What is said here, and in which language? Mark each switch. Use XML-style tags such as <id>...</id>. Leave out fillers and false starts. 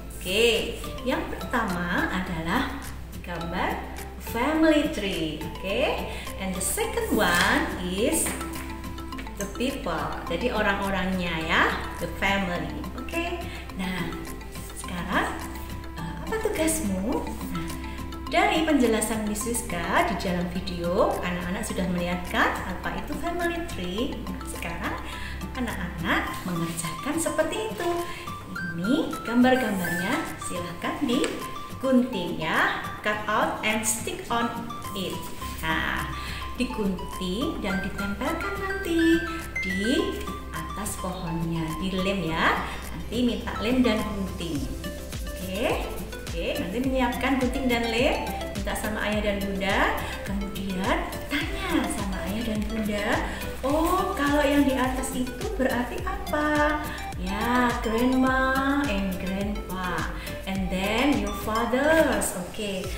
<id>Okay, yang pertama adalah gambar family tree.</id> <en>Okay, and the second one is the people.</en> <id>Jadi orang-orangnya ya,</id> <en>the family.</en> <id>Okay, nah sekarang apa tugasmu? Nah, dari penjelasan Miss Wiska di dalam video, anak-anak sudah melihatkan apa itu family tree. Nah, sekarang anak-anak mengerjakan seperti itu. Ini gambar-gambarnya silahkan digunting ya,</id> <en>cut out and stick on it.</en> <id>Nah, digunting dan ditempelkan nanti di atas pohonnya, di lem ya. Nanti minta lem dan gunting. Oke. Oke, nanti menyiapkan gunting dan lem, minta sama ayah dan bunda, kemudian tanya sama ayah dan bunda, oh kalau yang di atas itu berarti apa?</id> <en>Ya, grandma and grandpa, and then your fathers, oke.</en>